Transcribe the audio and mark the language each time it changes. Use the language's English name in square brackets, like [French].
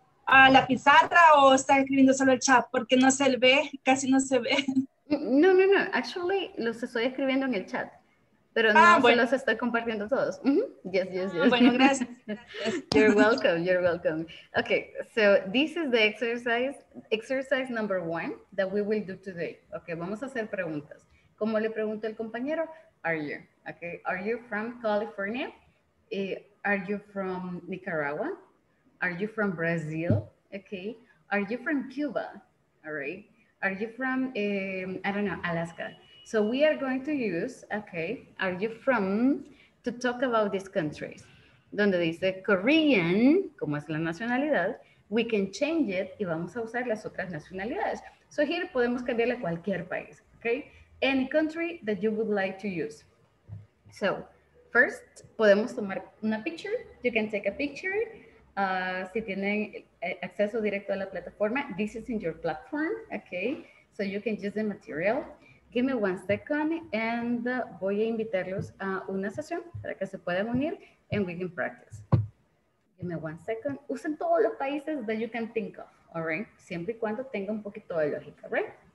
[Spanish] ¿A la pizarra o está escribiendo solo el chat? Porque no se ve, casi no se ve. No, no, no. [English] Actually, [Spanish] los estoy escribiendo en el chat. Pero no, bueno. Se los estoy compartiendo todos. [English] Mm-hmm. Yes, yes, yes. [Spanish] Bueno, gracias. [English] You're welcome, you're welcome. Okay, so this is the exercise number one that we will do today. [Spanish] Okay, vamos a hacer preguntas. Como le pregunto el compañero, [English] are you? Okay, are you from California? Are you from Nicaragua? Are you from Brazil? Okay. Are you from Cuba? All right. Are you from, I don't know, Alaska? So we are going to use, okay, are you from, to talk about these countries. [Spanish] Donde dice Korean, como es la nacionalidad, [English] we can change it [Spanish] y vamos a usar las otras nacionalidades. [English] So here [Spanish] podemos cambiarle a cualquier país, okay? [English] Any country that you would like to use. So first, [Spanish] podemos tomar una [English] picture. You can take a picture. [Spanish] Si tienen acceso directo a la plataforma, [English] this is in your platform, okay? So you can use the material. Give me one second and [Spanish] voy a invitarlos a una sesión para que se puedan unir [English] and we can practice. Give me one second. [Spanish] Usen todos los países [English] that you can think of, all right? [Spanish] Siempre y cuando tenga un poquito de lógica, [English] right?